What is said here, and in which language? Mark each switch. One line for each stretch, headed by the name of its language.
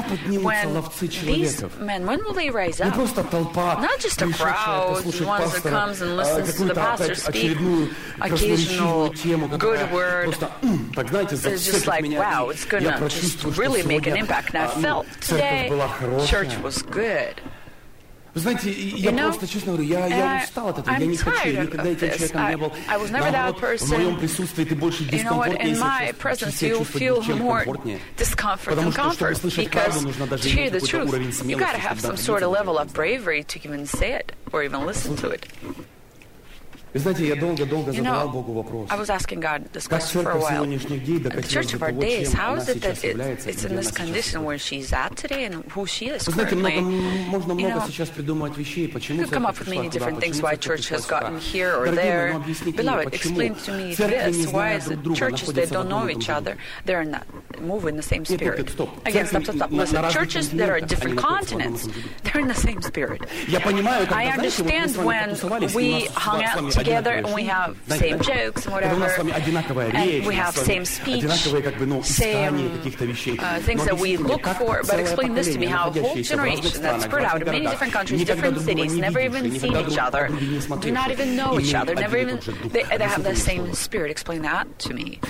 English: When these men, when will they rise up? Not just a crowd, ones that comes and listens to the pastor speak, occasional good word. It's just like, wow, it's going to just really make an impact. And I felt today, church was good.
Russian: Вы знаете,
English: you know,
Russian: я просто, честно говорю, я устал от этого.
English: I'm
Russian: я не хочу, я никогда этим
English: this.
Russian: Человеком не был.
English: I was never that person.
Russian: В моем присутствии ты больше дискомфортнее,
English: you know,
Russian: чем комфортнее. Потому что, чтобы слышать правду, нужно даже иметь какой-то
English: truth,
Russian: уровень смелости.
English: You've got to have some sort of level of bravery to even say it or even listen to it.
Russian: Вы знаете, я долго-долго задавал Богу вопрос.
English: I was asking God this question for a while. And the church of our days, how is it that it's in this condition where she's at today and who she is currently?
Russian: Можно много сейчас придумывать вещей, почему церковь пришла туда, почему церковь пришла сюда.
English: Why church has gotten here or there? Beloved, explain to me this. Why is it churches that don't know each other, they're not moving in the same spirit? Again, stop. Listen, churches that are different continents, they're in the same spirit. I understand when we hung out together and we have same jokes and whatever, and we have same speech, same things that we look for, but explain this to me, how a whole generation that's spread out in many different countries, different cities, never even seen each other, do not even know each other, never even, they have the same spirit, explain that to me.